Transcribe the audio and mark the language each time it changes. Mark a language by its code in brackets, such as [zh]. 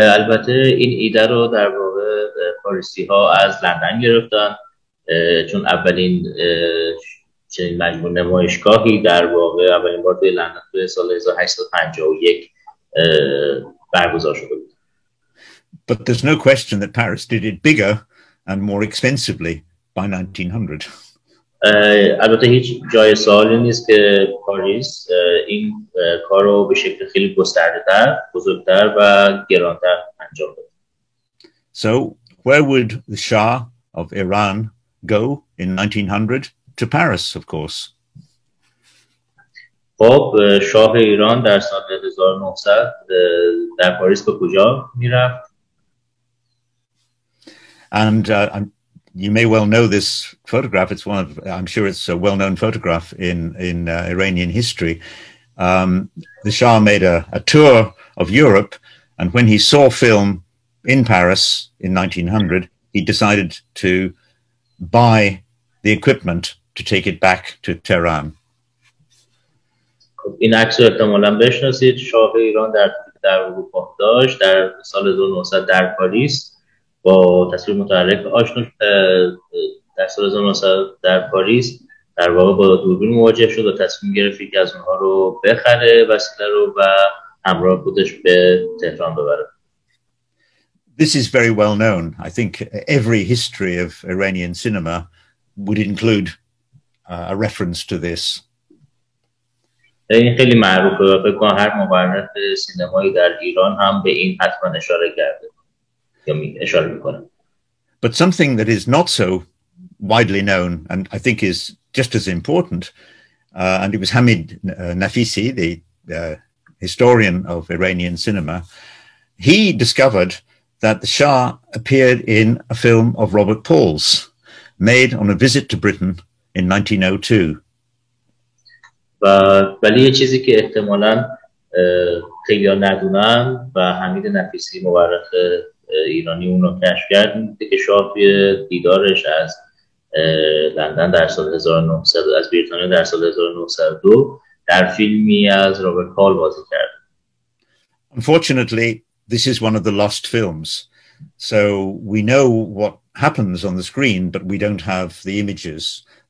[fa] البته این ایده رو در واقع پاریسی ها از لندن گرفتن چون اولین چنین مجموع نمایشگاهی در واقع اولین بار توی لندن توی سال 1851 برگزار شده بود. [en] But there's no question that Paris did it bigger and more expensively by 1900. [fa] البته هیچ جای سوالی نیست که پاریس این کارو به شکل خیلی گسترده‌تر، بزرگتر و گران‌تر انجام داد. [en] So, where would the Shah of Iran go in 1900? To Paris, of course. [fa] خب شاه ایران در سال 1900 در پاریس به کجا میرفت؟ [en] And you may well know this photograph. It's one of, I'm sure it's a well-known photograph in Iranian history. The Shah made a tour of Europe, and when he saw film in Paris in 1900, he decided to buy the equipment to take it back to Tehran. [fa] این عکس رو احتمالاً بشناسید، شاه ایران در اروپا داشت در سال 1900 در پاریس با تصویر متحرک آشنا در سال 1900 در پاریس در واقع با دوربین مواجه شد و تصمیم گرفت که از اونها رو بخره وسیله رو و همراه خودش به تهران ببره. [en] This is very well known. I think every history of Iranian cinema would include a reference to this. [fa] این خیلی معروفه، فکر کنم هر مورخ سینمایی در ایران هم به این حتما اشاره کرده یا اشاره میکنه. [en] But something that is not so widely known and I think is just as important, and it was Hamid Nafisi, the historian of Iranian cinema, he discovered that the Shah appeared in a film of Robert Paul's made on a visit to Britain in 1902. [fa] ولی یه چیزی که احتمالاً خیلی ها ندونن و حمید نفیسی مورخ ایرانی اون رو کشف کرد که شاه دیدارش از لندن در سال 1902 از بریتانیا در سال 1902 در فیلمی از رابرت پال بازی کرد. [en] Unfortunately, this is one of the lost films. So we know what happens on the screen, but we don't have the images.